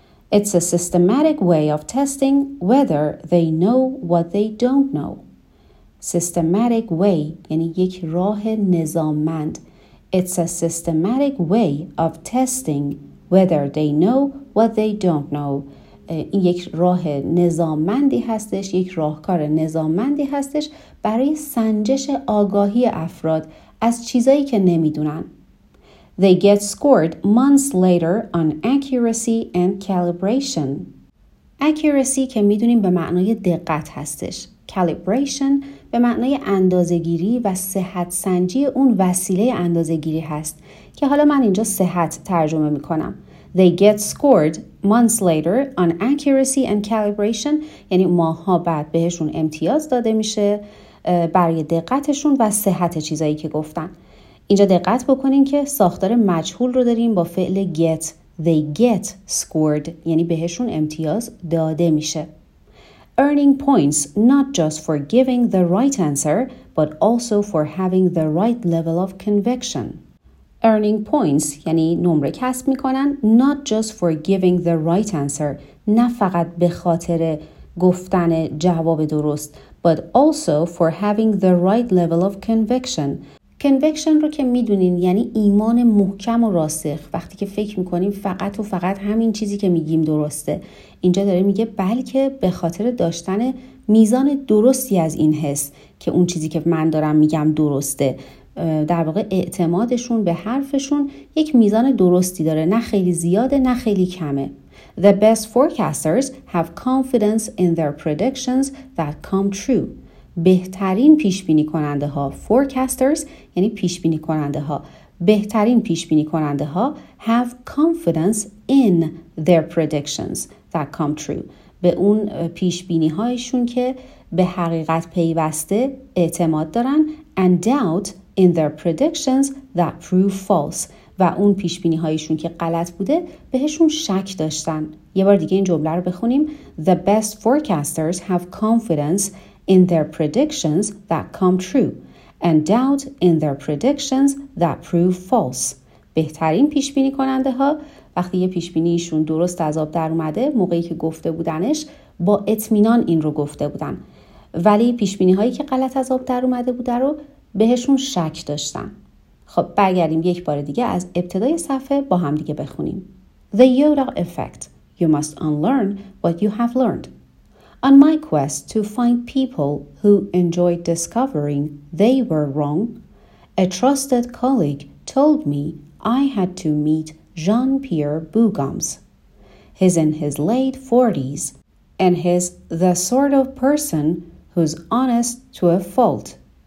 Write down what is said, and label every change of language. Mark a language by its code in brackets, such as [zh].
[en] It's a systematic way of testing whether they know what they don't know. Systematic way [fa] یعنی یک راه نظاممند. [en] It's a systematic way of testing whether they know what they don't know. [fa] این یک راه نظاممندی هستش، یک راهکار نظاممندی هستش برای سنجش آگاهی افراد از چیزایی که نمیدونن. [en] They get scored months later on accuracy and calibration. [fa] Accuracy که میدونیم به معنای دقت هستش. Calibration به معنای اندازه‌گیری و صحت سنجی اون وسیله اندازه‌گیری هست که حالا من اینجا صحت ترجمه میکنم. [en] They get scored months later on accuracy and calibration. [fa] یعنی ماها بعد بهشون امتیاز داده میشه برای دقتشون و صحت چیزایی که گفتن. اینجا دقت بکنین که ساختار مجهول رو داریم با فعل get. [en] They get scored [fa] یعنی بهشون امتیاز داده میشه. [en] Earning points not just for giving the right answer but also for having the right level of conviction. Earning points [fa] یعنی نمره کسب میکنن [en] not just for giving the right answer [fa] نه فقط به خاطر گفتن جواب درست [en] but also for having the right level of conviction. [fa] Conviction رو که میدونین یعنی ایمان محکم و راسخ، وقتی که فکر میکنیم فقط و فقط همین چیزی که میگیم درسته. اینجا داره میگه بلکه به خاطر داشتن میزان درستی از این حس که اون چیزی که من دارم میگم درسته، در واقع اعتمادشون به حرفشون یک میزان درستی داره، نه خیلی زیاده نه خیلی کمه. [en] The best forecasters have confidence in their predictions that come true. [fa] بهترین پیشبینی کننده ها، forecasters یعنی پیشبینی کننده ها، بهترین پیشبینی کننده ها [en] have confidence in their predictions that come true، [fa] به اون پیشبینی هایشون که به حقیقت پیوسته اعتماد دارن، [en] and doubt in their predictions that prove false، [fa] و اون پیشبینی هایشون که غلط بوده بهشون شک داشتن. یه بار دیگه این جمله رو بخونیم. [en] The best forecasters have confidence in their predictions that come true and doubt in their predictions that prove false. [fa] بهترین پیش بینی کننده ها وقتی یه پیش بینی ایشون درست از آب در اومده، موقعی که گفته بودنش با اطمینان این رو گفته بودن، ولی پیش بینی هایی که غلط از آب در اومده بوده رو بهشون شک داشتن. خب برگردیم یک بار دیگه از ابتدای صفحه با هم دیگه بخونیم. [en] The Yoda effect. You must unlearn what you have learned. On my quest to find people who enjoyed discovering they were wrong, a trusted colleague told me I had to meet Jean-Pierre Bougams. He's in his late 40s, and he's the sort of person who's honest to a fault.